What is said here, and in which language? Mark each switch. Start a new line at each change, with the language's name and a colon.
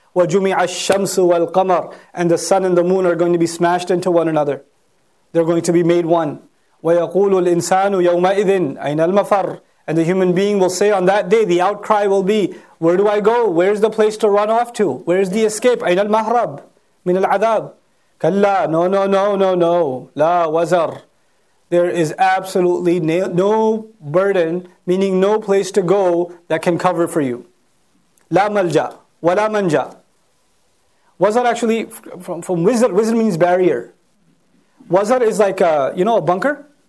Arabic: وَجُمِعَ الشَّمْسُ وَالْقَمَرُ.
English: And the sun and the moon are going to be smashed into one another. They're going to be made one.
Arabic: وَيَقُولُ الْإِنسَانُ يَوْمَئِذٍ أَيْنَ الْمَفَرُ.
English: And the human being will say on that day, the outcry will be, where do I go? Where is the place to run off to? Where is the escape?
Arabic: أين المهرب من العذاب؟ كلا.
English: No.
Arabic: لا وزر.
English: There is absolutely no burden, meaning no place to go that can cover for you.
Arabic: لا ملجأ ولا منجأ.
English: Wazar actually, from wizard, wizard means barrier. Wazar is like a bunker.